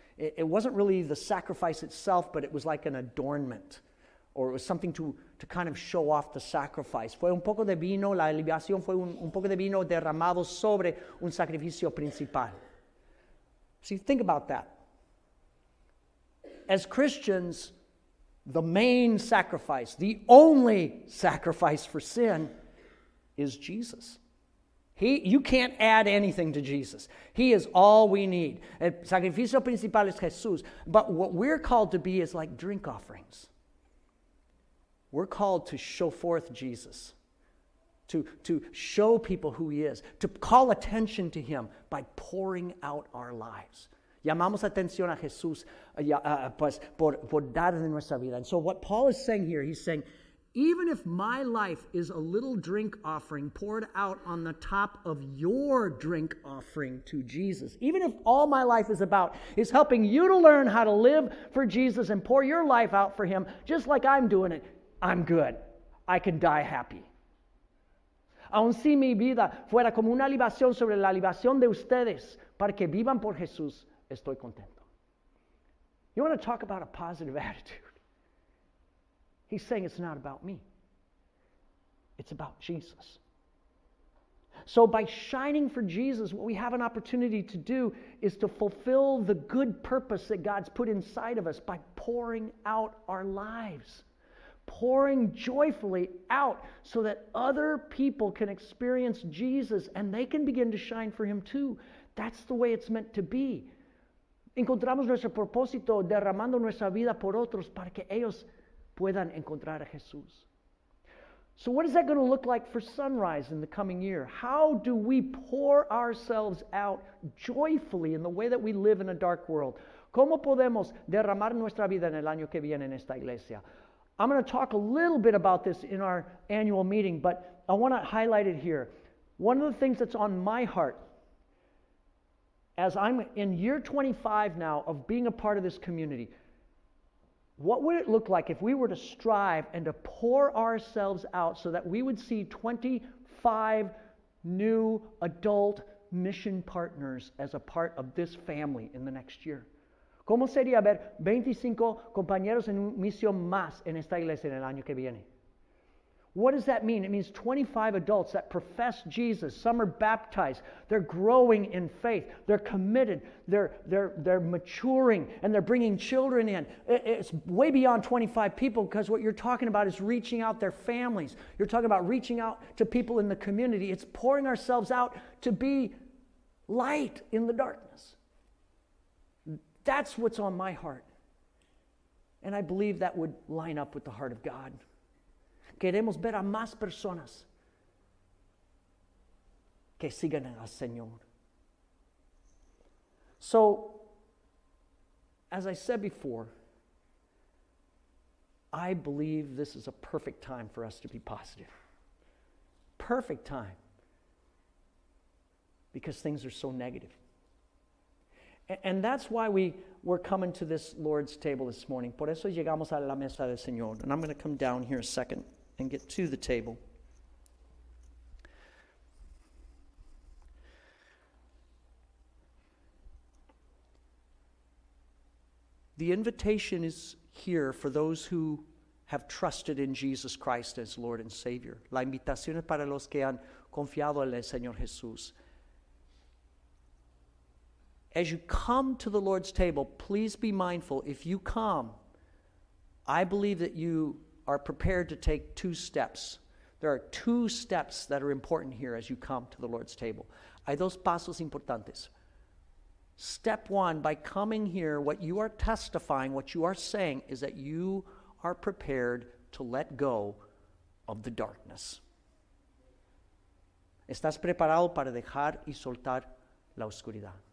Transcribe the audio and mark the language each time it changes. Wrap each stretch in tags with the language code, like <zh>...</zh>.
<en>It wasn't really the sacrifice itself, but it was like an adornment, or it was something to kind of show off the sacrifice.</en> <es>Fue un poco de vino, la libación fue un poco de vino derramado sobre un sacrificio principal.</es> <en>See, think about that. As Christians, the main sacrifice, the only sacrifice for sin, is Jesus. You can't add anything to Jesus. He is all we need.</en> <es>El sacrificio principal es Jesús.</es> <en>But what we're called to be is like drink offerings. We're called to show forth Jesus, to show people who He is, to call attention to Him by pouring out our lives.</en> <es>Llamamos atención a Jesús por dar de nuestra vida.</es> <en>And so what Paul is saying here, he's saying, even if my life is a little drink offering poured out on the top of your drink offering to Jesus, even if all my life is about is helping you to learn how to live for Jesus and pour your life out for Him, just like I'm doing it, I'm good. I can die happy.</en> <es>Aun si mi vida fuera como una libación sobre la libación de ustedes, para que vivan por Jesús, estoy contento.</es> <en>You want to talk about a positive attitude? He's saying it's not about me. It's about Jesus. So by shining for Jesus, what we have an opportunity to do is to fulfill the good purpose that God's put inside of us by pouring out our lives, pouring joyfully out so that other people can experience Jesus and they can begin to shine for him too. That's the way it's meant to be.</en> <es>Encontramos nuestro propósito derramando nuestra vida por otros para que ellos puedan encontrar a Jesús.</es> <en>So what is that going to look like for Sunrise in the coming year? How do we pour ourselves out joyfully in the way that we live in a dark world?</en> <es>¿Cómo podemos derramar nuestra vida en el año que viene en esta iglesia?</es> <en>I'm going to talk a little bit about this in our annual meeting, but I want to highlight it here. One of the things that's on my heart, as I'm in year 25 now of being a part of this community, what would it look like if we were to strive and to pour ourselves out so that we would see 25 new adult mission partners as a part of this family in the next year?</en> <es>¿Cómo sería ver 25 compañeros en misión más en esta iglesia en el año que viene?</es> <en>What does that mean? It means 25 adults that profess Jesus. Some are baptized. They're growing in faith. They're committed. They're maturing. And they're bringing children in. It's way beyond 25 people because what you're talking about is reaching out their families. You're talking about reaching out to people in the community. It's pouring ourselves out to be light in the darkness. That's what's on my heart. And I believe that would line up with the heart of God.</en> <es>Queremos ver a más personas que sigan al Señor.</es> <en>So, as I said before, I believe this is a perfect time for us to be positive. Perfect time. Because things are so negative. And that's why we're coming to this Lord's table this morning.</en> <es>Por eso llegamos a la mesa del Señor.</es> <en>And I'm going to come down here a second and get to the table. The invitation is here for those who have trusted in Jesus Christ as Lord and Savior.</en> <es>La invitación es para los que han confiado en el Señor Jesús.</es> <en>As you come to the Lord's table, please be mindful. If you come, I believe that you are prepared to take two steps. There are two steps that are important here as you come to the Lord's table.</en> <es>Hay dos pasos importantes.</es> <en>Step one, by coming here, what you are testifying, what you are saying, is that you are prepared to let go of the darkness.</en> <es>Estás preparado para dejar y soltar la oscuridad.</es>